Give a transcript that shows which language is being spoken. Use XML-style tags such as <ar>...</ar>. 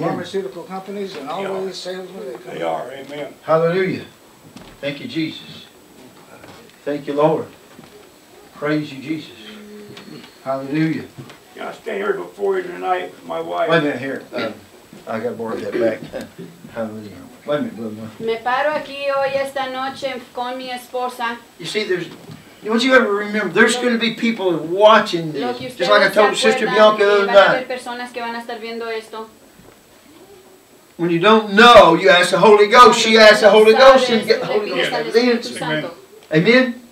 <en>Pharmaceutical companies and all of the sales where they come. They are. Amen. Hallelujah. Thank you, Jesus. Thank you, Lord. Praise you, Jesus. Hallelujah. Can I stand here before you tonight, my wife? Wait a minute, here. I got to borrow that back. Hallelujah. Wait a minute, Wilma.</en> <es>Me paro aquí hoy esta noche con mi esposa.</es> <en>You see, what you got to remember, there's going to be people watching this. Just like I told Sister Bianca the other night. When you don't know, you ask the Holy Ghost. She asked the Holy Ghost, and the Holy Ghost got the answer. Amen.</en>